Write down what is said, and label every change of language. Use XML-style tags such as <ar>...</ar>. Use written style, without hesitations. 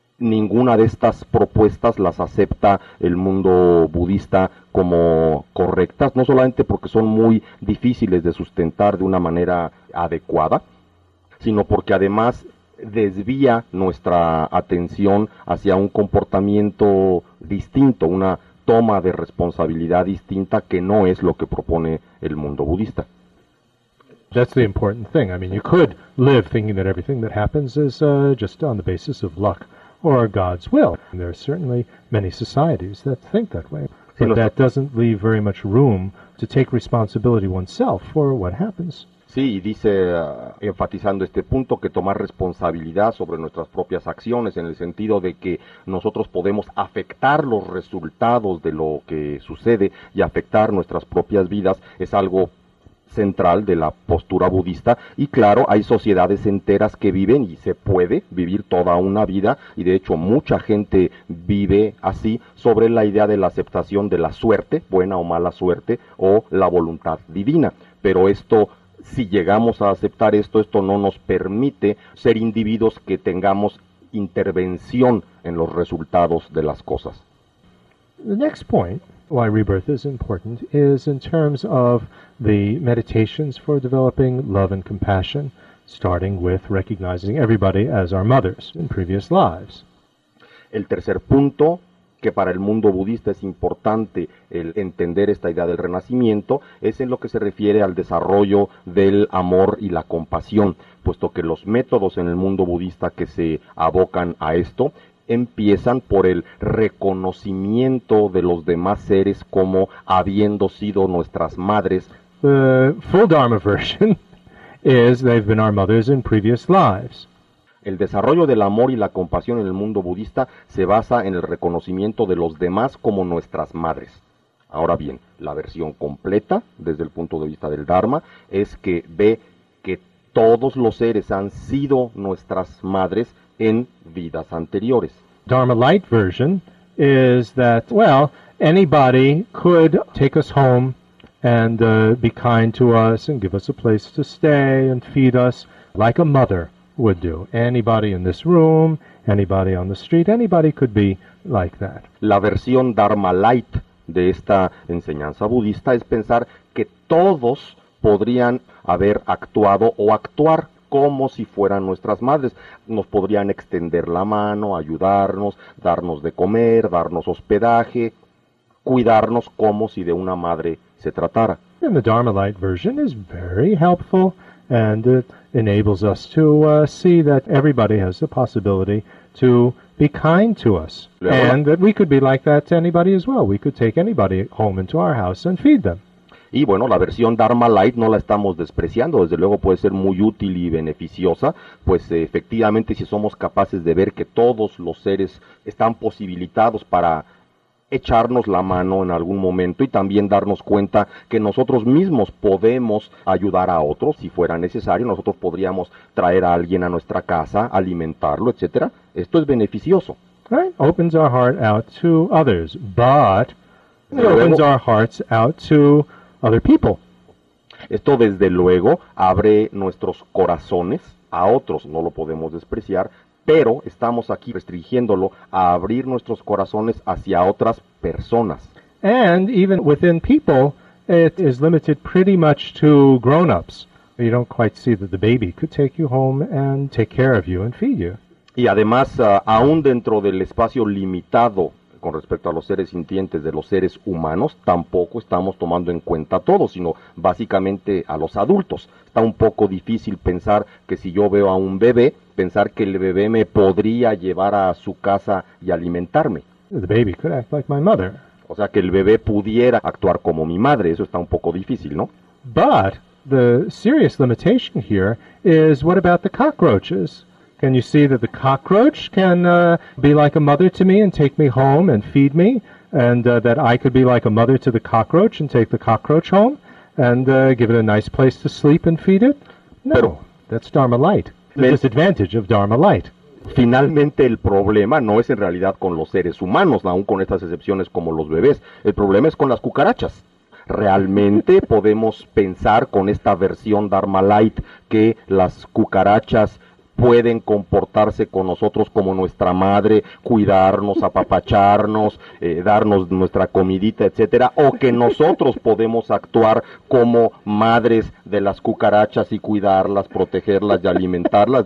<es>Ninguna de estas propuestas las acepta el mundo budista como correctas, no solamente porque son muy difíciles de sustentar de una manera adecuada, sino porque además desvía nuestra atención hacia un comportamiento distinto, una toma de responsabilidad distinta que no es lo que propone el mundo budista.</es> <en>That's the important thing. I mean, you could live thinking that everything that happens is just on the basis of luck or God's will. And there are certainly many societies that think that way. But that doesn't leave very much room to take responsibility oneself for what happens.</en> <es>Sí, y dice, enfatizando este punto, que tomar responsabilidad sobre nuestras propias acciones, en el sentido de que nosotros podemos afectar los resultados de lo que sucede y afectar nuestras propias vidas, es algo central de la postura budista. Y claro, hay sociedades enteras que viven, y se puede vivir toda una vida, y de hecho mucha gente vive así, sobre la idea de la aceptación de la suerte, buena o mala suerte, o la voluntad divina. Pero esto, si llegamos a aceptar esto, esto no nos permite ser individuos que tengamos intervención en los resultados de las cosas.</es> <en>The next point why rebirth is important is in terms of the meditations for developing love and compassion, starting with recognizing everybody as our mothers in previous lives.</en> <es>El tercer punto que para el mundo budista es importante el entender esta idea del renacimiento es en lo que se refiere al desarrollo del amor y la compasión, puesto que los métodos en el mundo budista que se abocan a esto empiezan por el reconocimiento de los demás seres como habiendo sido nuestras madres.</es> <en>The full Dharma version is they've been our mothers in previous lives.</en> <es>El desarrollo del amor y la compasión en el mundo budista se basa en el reconocimiento de los demás como nuestras madres. Ahora bien, la versión completa, desde el punto de vista del Dharma, es que ve que todos los seres han sido nuestras madres en vidas anteriores.</es> <en>Dharma light version is that, well, anybody could take us home and be kind to us and give us a place to stay and feed us like a mother would do. Anybody in this room, anybody on the street, anybody could be like that.</en> <es>La versión Dharma light de esta enseñanza budista es pensar que todos podrían haber actuado o actuar como si fueran nuestras madres. Nos podrían extender la mano, ayudarnos, darnos de comer, darnos hospedaje, cuidarnos como si de una madre se tratara.</es> <en>And the Dharma light version is very helpful, and it enables us to see that everybody has the possibility to be kind to us, and that we could be like that to anybody as well. We could take anybody home into our house and feed them.</en> <es>Y bueno, la versión Dharma light no la estamos despreciando, desde luego puede ser muy útil y beneficiosa, pues efectivamente si somos capaces de ver que todos los seres están posibilitados para echarnos la mano en algún momento y también darnos cuenta que nosotros mismos podemos ayudar a otros si fuera necesario, nosotros podríamos traer a alguien a nuestra casa, alimentarlo, etcétera, esto es beneficioso.</es> <en>Right. Opens our heart out to others, but it opens our hearts out to other people.</en> <es>Esto desde luego abre nuestros corazones a otros, no lo podemos despreciar, pero estamos aquí restringiéndolo a abrir nuestros corazones hacia otras personas.</es> <en>And even within people, it is limited pretty much to grown-ups. You don't quite see that the baby could take you home and take care of you and feed you.</en> <es>Y además, aún dentro del espacio limitado con respecto a los seres sintientes de los seres humanos, tampoco estamos tomando en cuenta a todos, sino básicamente a los adultos. Está un poco difícil pensar que si yo veo a un bebé, pensar que el bebé me podría llevar a su casa y alimentarme.</es> <en>The baby could act like my mother.</en> <es>O sea, que el bebé pudiera actuar como mi madre, eso está un poco difícil, ¿no?</es> <en>But the serious limitation here is, what about the cockroaches? Can you see that the cockroach can be like a mother to me and take me home and feed me, and that I could be like a mother to the cockroach and take the cockroach home and give it a nice place to sleep and feed it? No, that's Dharma light. The disadvantage of Dharma light.</en> <es>Finalmente, el problema no es en realidad con los seres humanos, aún con estas excepciones como los bebés. El problema es con las cucarachas. Realmente podemos pensar con esta versión Dharma light que las cucarachas pueden comportarse con nosotros como nuestra madre, cuidarnos, apapacharnos, darnos nuestra comidita, etcétera, o que nosotros podemos actuar como madres de las cucarachas y cuidarlas, protegerlas y alimentarlas.</es>